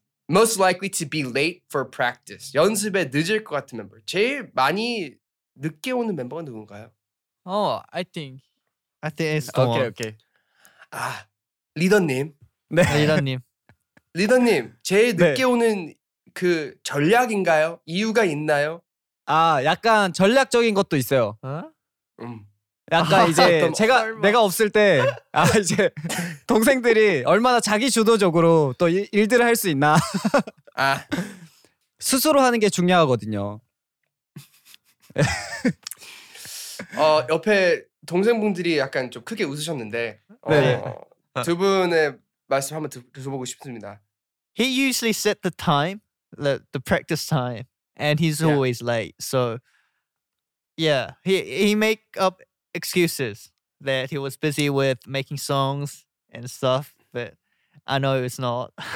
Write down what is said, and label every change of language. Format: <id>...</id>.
<en>Most likely to be late for practice.</en> <ko>연습에 늦을 것 같은 멤버. 제일 많이 늦게 오는 멤버가 누군가요?</ko> <en>I think it's the okay, one.</en> <ko>Okay. 아, 리더님. 네. 리더님. 리더님, 제일 늦게 네. 오는 그 전략인가요? 이유가 있나요? 아, 약간 전략적인 것도 있어요. 약간 이제 제가 내가 없을 때 아 이제 동생들이 얼마나 자기 주도적으로 또 일들을 할 수 있나. 아 스스로 하는 게 중요하거든요. 옆에 동생분들이 약간 좀 크게 웃으셨는데 네. 두 분의 말씀 한번 들어보고 싶습니다.</ko> <en>He usually set the time, the practice time, and he's always late. So yeah, he make up excuses that he was busy with making songs and stuff, but I know it's not.</en>